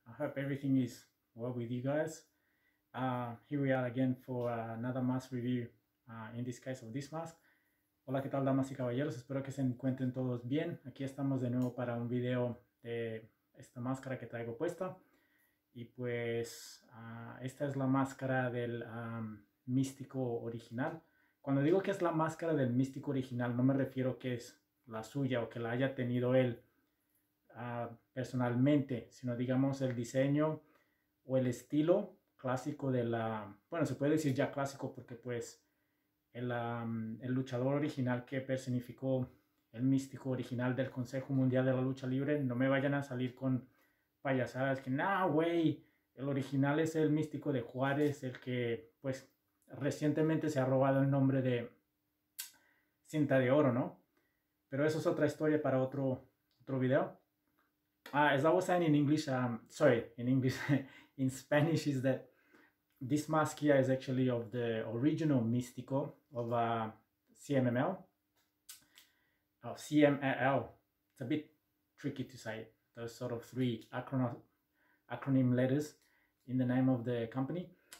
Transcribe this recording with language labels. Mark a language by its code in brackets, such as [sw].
[en] I hope everything is well with you guys. Here we are again for another mask review, in this case of this mask. [es] Hola, ¿qué tal, damas y caballeros? Espero que se encuentren todos bien. Aquí estamos de nuevo para un video de esta máscara que traigo puesta. Y pues, esta es la máscara del místico original. Cuando digo que es la máscara del místico original, no me refiero que es la suya o que la haya tenido él personalmente, sino digamos el diseño o el estilo clásico de la, bueno, se puede decir ya clásico porque pues el luchador original que personificó el místico original del Consejo Mundial de la Lucha Libre, no me vayan a salir con payasadas que nah, güey, el original es el místico de Juárez, el que pues recientemente se ha robado el nombre de Cinta de Oro, ¿no? Pero eso es otra historia para otro video. [en] As I was saying in English, sorry, in English, in Spanish, is that this mask here is actually of the original Místico of CMML. Oh, CMLL. It's a bit tricky to say those sort of three acronym letters in the name of the company.